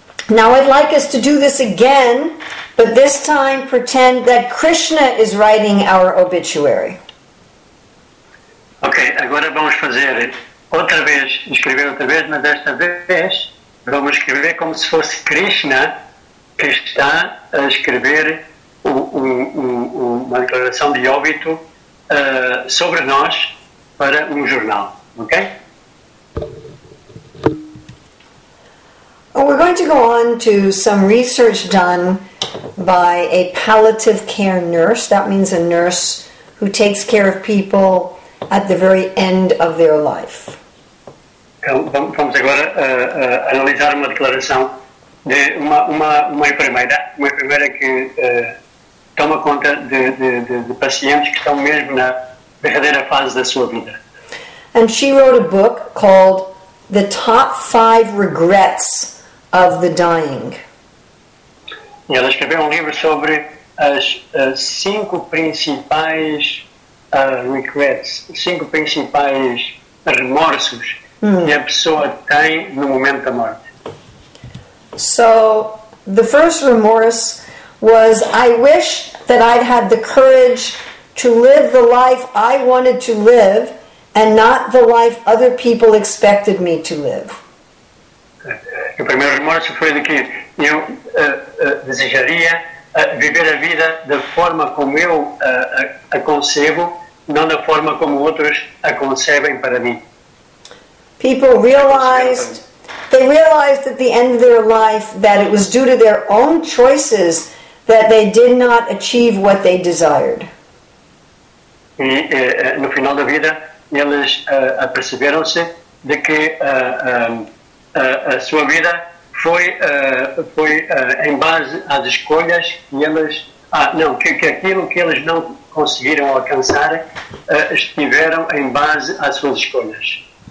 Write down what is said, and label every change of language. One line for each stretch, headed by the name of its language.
English: Now I'd like us to do this again, but this time pretend that Krishna is writing our obituary.
Portuguese: Okay, agora vamos fazer outra vez, escrever outra vez, mas desta vez vamos escrever como se fosse Krishna que está a escrever uma declaração de óbito sobre nós para jornal, ok?
English: We're going to go on to some research done by a palliative care nurse. That means a nurse who takes care of people at the very end of their life.
Portuguese: Vamos agora analisar uma declaração de uma enfermeira. Uma enfermeira que toma conta de pacientes que estão mesmo na verdadeira fase da sua vida.
English: And she wrote a book called The Top 5 Regrets of the Dying.
Portuguese: E ela escreveu livro sobre as cinco principais
English: regrets,
Portuguese: cinco principais remorsos que a pessoa tem no momento da morte.
English: So, the first remorse was, I wish that I'd had the courage to live the life I wanted to live and not the life other people expected me to live.
Portuguese: O primeiro remorso foi de que eu desejaria viver a vida da forma como eu a concebo, não da forma como outros a concebem para mim.
English: People realized, they realized at the end of their life that it was due to their own choices that they did not achieve what they desired.
Portuguese: E no final da vida, eles aperceberam-se de que a sua vida foi em base às escolhas que eles que aquilo que eles não conseguiram alcançar estiveram em base às suas escolhas.